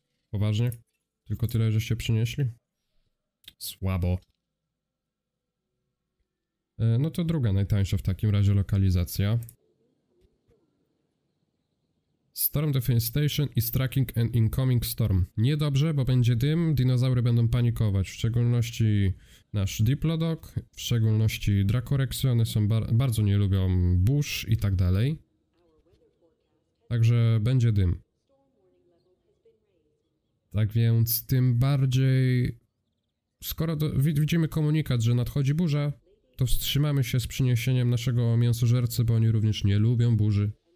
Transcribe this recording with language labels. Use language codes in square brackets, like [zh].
[pl] Poważnie? Tylko tyle, żeście przynieśli? Słabo. No to druga najtańsza w takim razie lokalizacja. [en] Storm Defense Station is tracking an incoming storm. [pl] Niedobrze, bo będzie dym, dinozaury będą panikować. W szczególności nasz Diplodok, w szczególności Dracorexy, one są bardzo nie lubią burz i tak dalej. Także będzie dym. Tak więc tym bardziej, skoro widzimy komunikat, że nadchodzi burza, to wstrzymamy się z przyniesieniem naszego mięsożercy, bo oni również nie lubią burzy.